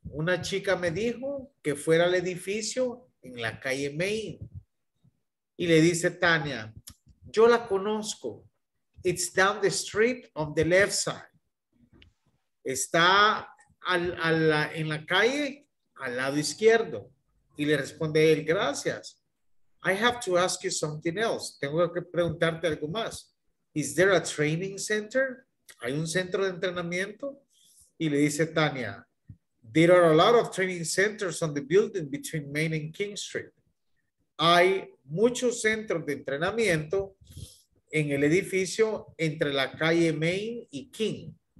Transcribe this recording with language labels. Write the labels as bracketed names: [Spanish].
[Spanish] Una chica me dijo que fuera al edificio en la calle Main. Y le dice Tania, yo la conozco. [English] It's down the street on the left side. [Spanish] Está en la calle al lado izquierdo. Y le responde él, gracias. [English] I have to ask you something else. [Spanish] Tengo que preguntarte algo más. [English] Is there a training center? [Spanish] ¿Hay un centro de entrenamiento? Y le dice Tania, [English] there are a lot of training centers on the building between Main and King Street. [Spanish] Hay muchos centros de entrenamiento en el edificio entre la calle Main y King.